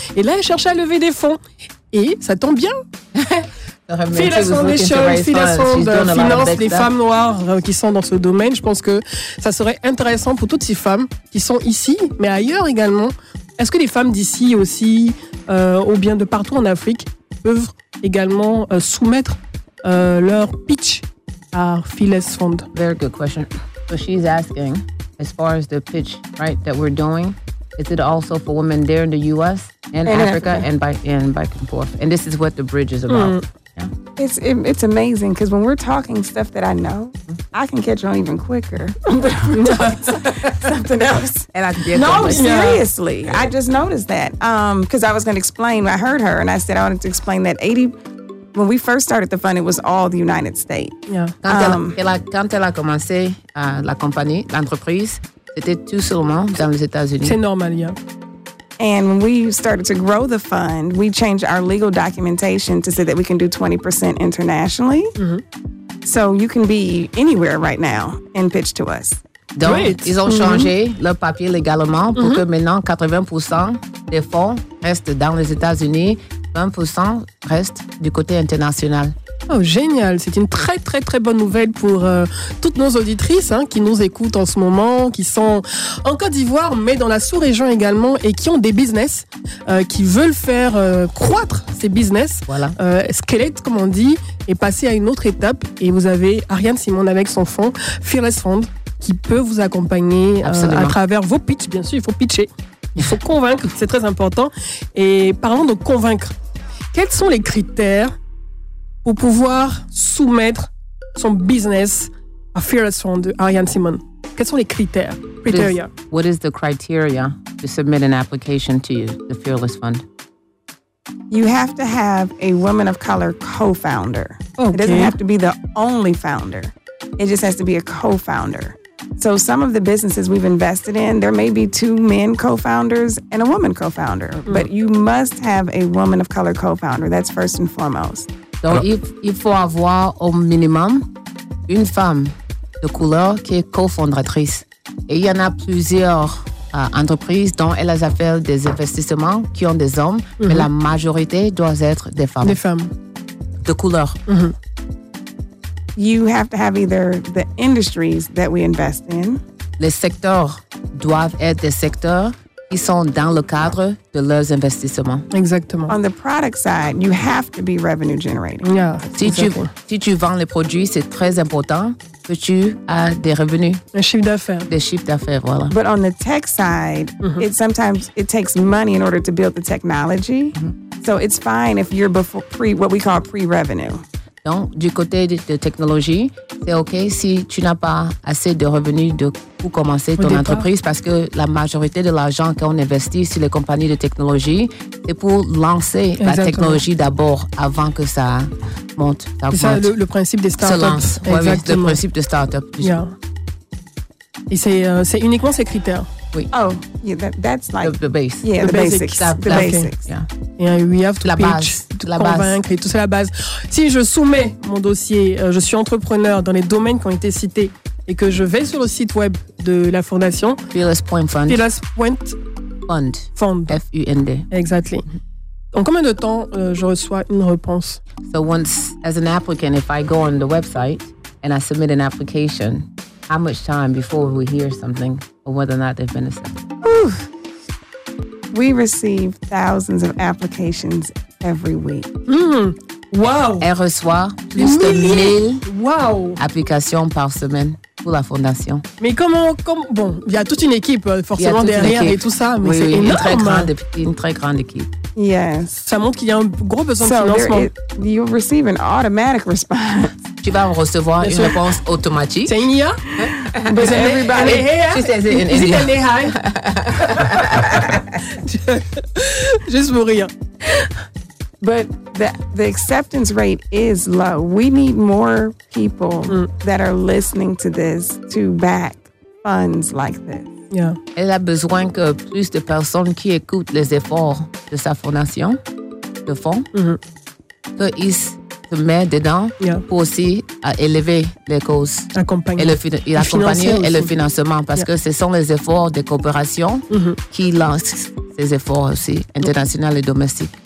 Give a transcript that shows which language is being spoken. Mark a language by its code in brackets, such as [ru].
[fr] Et là, elle cherche à lever des fonds. Et ça tombe bien. Filation des choses, filation de finances, les femmes noires qui sont dans ce domaine. Je pense que ça serait intéressant pour toutes ces femmes qui sont ici, mais ailleurs également. Est-ce que les femmes d'ici aussi, ou bien de partout en Afrique, peuvent également soumettre leur pitch à Filas Fund? [en] Very good question. So she's asking, as far as the pitch, right, that we're doing, is it also for women there in the U.S. and Africa and back and forth? And this is what the bridge is about. Mm. Yeah. It's amazing because when we're talking stuff that I know, I can catch on even quicker. Something else, and I no, seriously, yeah. I just noticed that because I was going to explain. I heard her, and I said I wanted to explain that 80. When we first started the fund, it was all the United States. Yeah. [fr] Quand elle a commencé la compagnie, l'entreprise, c'était tout seulement dans les États-Unis. C'est normal, yeah. [en] And when we started to grow the fund, we changed our legal documentation to say that we can do 20% internationally. Mm-hmm. So you can be anywhere right now and pitch to us. [fr] Donc, ils ont changé le papier légalement pour que maintenant 80% des fonds restent dans les États-Unis, 20% restent du côté international. Oh, génial. C'est une très, très, très bonne nouvelle pour toutes nos auditrices qui nous écoutent en ce moment, qui sont en Côte d'Ivoire, mais dans la sous-région également, et qui ont des business, qui veulent faire croître ces business, squelette, comme on dit, et passer à une autre étape. Et vous avez Ariane Simon avec son fonds, Fearless Fund, qui peut vous accompagner à travers vos pitchs. Bien sûr, il faut pitcher. Il faut convaincre, c'est très important. Et parlons de convaincre. Quels sont les critères pour pouvoir soumettre son business à Fearless Fund de Ariane Simon? Quels sont les critères? [en] What is the criteria to submit an application to you, the Fearless Fund? You have to have a woman of color co-founder. Okay. It doesn't have to be the only founder. It just has to be a co-founder. So some of the businesses we've invested in, there may be two men co-founders and a woman co-founder. Mm. But you must have a woman of color co-founder. That's first and foremost. [fr] Donc, il faut avoir au minimum une femme de couleur qui est cofondatrice. Et il y en a plusieurs entreprises dont elle a fait des investissements qui ont des hommes, mais la majorité doit être des femmes. Des femmes. De couleur. Mm-hmm. [en] You have to have either the industries that we invest in. [fr] Les secteurs doivent être des secteurs. Ils sont dans le cadre de leurs investissements. Exactement. [en] On the product side, you have to be revenue generating. Yeah, [fr] si tu vends les produits, c'est très important que tu aies des revenus. Un chiffre d'affaires. Des chiffres d'affaires, voilà. [en] But on the tech side, it sometimes takes money in order to build the technology. Mm-hmm. So it's fine if you're what we call pre-revenue. [fr] Donc, du côté de technologie, c'est OK si tu n'as pas assez de revenus pour commencer ton entreprise, parce que la majorité de l'argent qu'on investit sur les compagnies de technologie, c'est pour lancer la technologie d'abord avant que ça monte. C'est ça le principe des startups. Se lance. Ouais, oui, le principe des startups. Yeah. Et c'est uniquement ces critères. Oui. [en] Oh, yeah, that's like the base. Yeah, the basics. Okay. Yeah. And we have to [fr] la [en] pitch, [fr] base, la convaincre base. Et tout, c'est la base. Si je soumets mon dossier, je suis entrepreneur dans les domaines qui ont été cités et que je vais sur le site web de la fondation. [en] Fearless.fund. Fearless.fund. Fund. F-U-N-D. Exactly. Mm-hmm. [fr] En combien de temps je reçois une réponse? [en] So once, as an applicant, if I go on the website and I submit an application, how much time before we hear something? Or whether or not they've been accepted. We receive thousands of applications every week. Mm. Wow. [fr] Elle reçoit plus de 1000 applications par semaine pour la fondation. Mais comment, il y a toute une équipe forcément derrière et tout ça, mais oui, c'est énorme. Une très grande équipe. [en] Yes. [fr] Ça montre qu'il y a un gros besoin de financement. [en] You receive an automatic response. [fr] Tu vas recevoir une réponse automatique. C'est une IA. [en] Mais everybody. Is it LA high? [fr] Juste pour rire. [en] But the acceptance rate is low. We need more people that are listening to this to back funds like this. Yeah. [fr] Elle a besoin que plus de personnes qui écoutent les efforts de sa fondation de fonds qu'ils se mettent dedans pour aussi à élever les causes. Accompagner le financement parce que ce sont les efforts des coopérations qui lancent ces efforts aussi, internationaux et domestiques.